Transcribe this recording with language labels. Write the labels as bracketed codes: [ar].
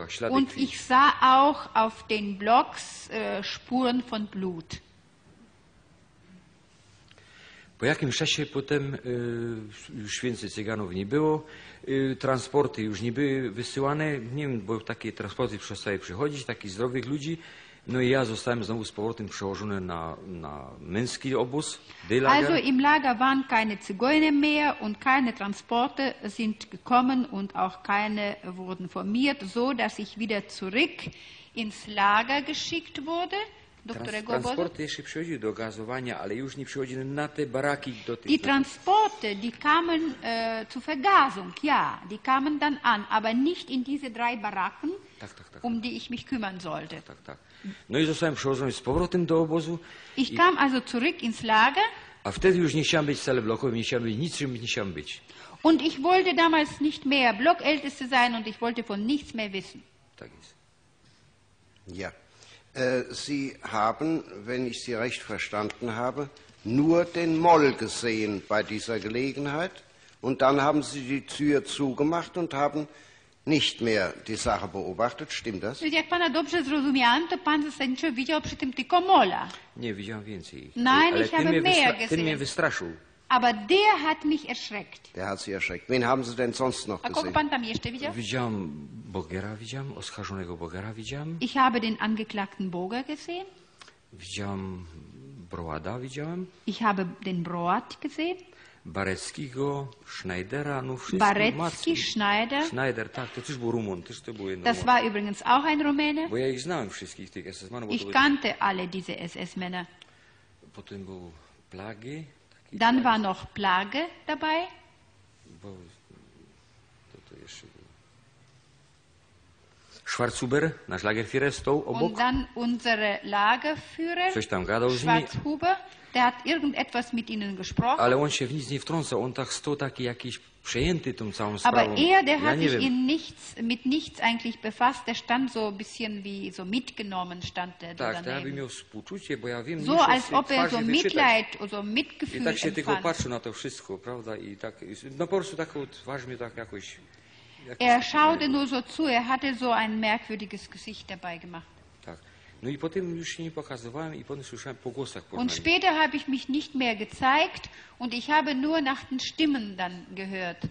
[de] Und ich sah auch auf den Blocks Spuren von Blut. [pl] Po jakimś czasie potem już więcej cyganów nie było, transporty już nie były wysyłane, nie wiem, bo takie transporty przestały przychodzić, takich zdrowych ludzi. No i ja zostałem znowu z powrotem przełożony na męski obóz. [de] Also im Lager waren keine Zigeuner mehr und keine Transporte sind gekommen und auch keine wurden formiert, so dass ich wieder zurück ins Lager geschickt wurde, [pl] do którego obozu. Transporty jeszcze przychodzi do gazowania, ale już nie przychodzi na te baraki do tych. [de] Die Transporte, die kamen zur Vergasung, ja, die kamen dann an, aber nicht in diese drei Baracken, [pl] tak. [de] um die ich mich kümmern sollte. [pl] Tak. No i zostałem przewożony z powrotem do obozu. [de] Ich kam also zurück ins Lager. [pl] A wtedy już nie chciałem być celeblokowym, nie chciałem być niczym, nie chciałem być. [de] Und ich wollte damals nicht mehr Blockälteste sein und ich wollte von nichts mehr wissen. [pl] Tak jest. [de] Ja. Sie haben, wenn ich Sie recht verstanden habe, nur den Moll gesehen bei dieser Gelegenheit und dann haben Sie die Tür zugemacht und haben nicht mehr die Sache beobachtet. Stimmt das? [pl] Jak pana dobrze zrozumiałem, to pan zasadniczo widział przy tym tylko Molla. Nie, widziałem więcej. [de] Nein, ich habe mehr gesehen. [pl] Ty mnie wystraszył. [de] Aber der hat mich erschreckt. Der hat Sie erschreckt. Wen haben Sie denn sonst noch gesehen? [pl] A kogo pan tam jeszcze widział? Widziałem Bogera, widziałem oskarżonego Bogera, widziałem. [de] Ich habe den angeklagten Boger gesehen. [pl] Widziałem Broada, widziałem. [de] Ich habe den Broad gesehen. [pl] Bareckiego, Schneidera, no wszystko. [de] Barecki, Schneider. [pl] Schneider, tak, to też był Rumun, też to był jeden. [de] Das war übrigens auch ein Rumäne. [pl] Bo ja ich znałem wszystkich tych SS-Männer. [de] Ich kannte alle diese SS-Männer. [pl] Potem był Plagi. [de] Dann war noch Plage dabei. [pl] Bo, to jeszcze było. Schwarzhuber, nasz Lagerführer, stał obok. [de] Und dann unser Lagerführer. [pl] Coś tam gadał z nimi. [de] Schwarzhuber, der hat irgendetwas mit ihnen gesprochen. [pl] Ale on się w nic nie wtrącał, on tak stał taki jakiś przejęty tą całą sprawą. [de] Aber er, der hat sich in nichts, mit nichts eigentlich befasst, der stand so ein bisschen wie so mitgenommen, stand der da daneben. [pl] Tak, ja bym miał współczucie, bo ja wiem, [de] so als ob er so Mitleid, so Mitgefühl empfand. [pl] I tak się tylko patrzył na to wszystko, prawda, i tak, no po prostu taką twarz mi tak jakoś. [de] Er schaute nur so zu, er hatte so ein merkwürdiges Gesicht dabei gemacht. [pl] No i potem już się nie pokazywałem i potem słyszałem po głosach. [de] Und später habe ich mich nicht mehr gezeigt und ich habe nur nach den Stimmen dann gehört.